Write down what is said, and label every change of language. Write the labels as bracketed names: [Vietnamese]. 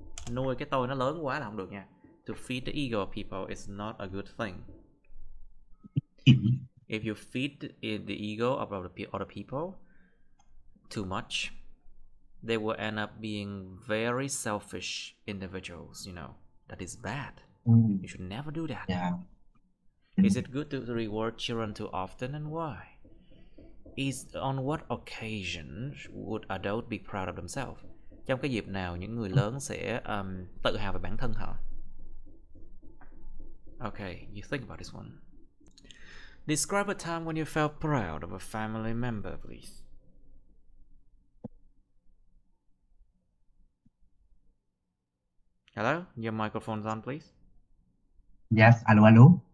[Vietnamese] Nuôi cái tôi nó lớn quá là không được nha. [English] To feed the ego of people is not a good thing. If you feed the ego of other people too much, they will end up being very selfish individuals, you know. That is bad. You should never do that. Yeah. Is it good to reward children too often and why? Is on what occasion would adults be proud of themselves? [Vietnamese] Trong cái dịp nào những người lớn sẽ tự hào về bản thân họ? [English] Okay, you think about this one. Describe a time when you felt proud of a family member, please. Hello, your microphone's on, please. Yes, hello, hello.